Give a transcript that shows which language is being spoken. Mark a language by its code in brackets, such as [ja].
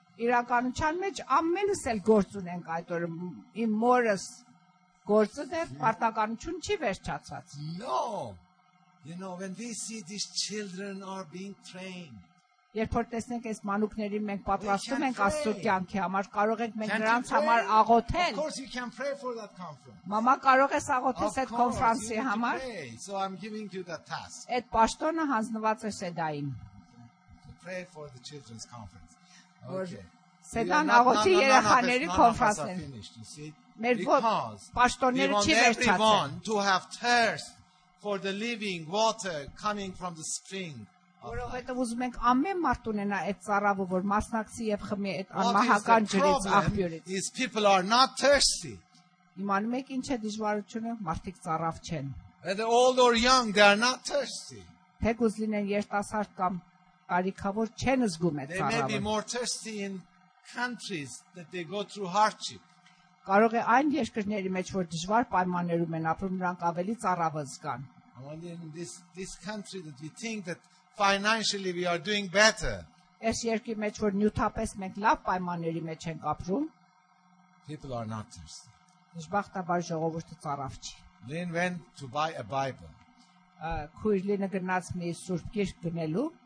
[hy] Իրականության մեջ ամենս էլ գործ ունենք այդ օրը, իմ մորս գործը դեռ պարտականություն չի վերջացած։ [en] No. You know when we see these children are being trained. [hy] Երբ որ տեսնենք այս մանուկներին մենք պատրաստում ենք Աստծո կյանքի համար, կարող ենք մենք նրանց համար աղոթել։ [en] Of course you can pray for that conference. [hy] Մամա, կարող ես աղոթես այդ կոնֆրանսի համար։ [en] So I'm giving you that task. [hy] Այդ պաշտոնը հանձնված է Սեդային։ [en] Pray for the children's conference. [hy] Սեդան աղոթի երեխաների կոնֆրանսին։ Մեր պաշտոնները չի վերջացած [en] to have thirst for the living water coming from the spring [hy] որովհետև ուզում ենք ամեն մարդ ունենա այդ ծառավը որ մասնակցի եւ խմի այդ անմահական ջրից աղբյուրից [en] is people are not thirsty [hy] իմանում եք ինչ է դժվարությունը մարդիկ ծառավ չեն [en] whether old or young they are not thirsty [hy] թե կուզ լինեն երիտասարդ կամ կարիքավոր չեն զգում այդ ծառավը [en] they may be more thirsty in countries that they go through hardship [hy] Կարող է այն երկրների մեջ, որ դժվար պայմաններում են ապրում, նրանք ավելի ծառավը զգան։ [en] This country that we think that financially we are doing better. [hy] Այս երկրի մեջ, որ նյութապես մենք լավ պայմանների մեջ ենք ապրում, [en] people are not thirsty. [hy] Ժողովրդաբար ժողովուրդը ծառավ չի։ [en] Then went to buy a Bible. [hy] Քույրը գնաց մի Սուրբ Գիրք գնելու։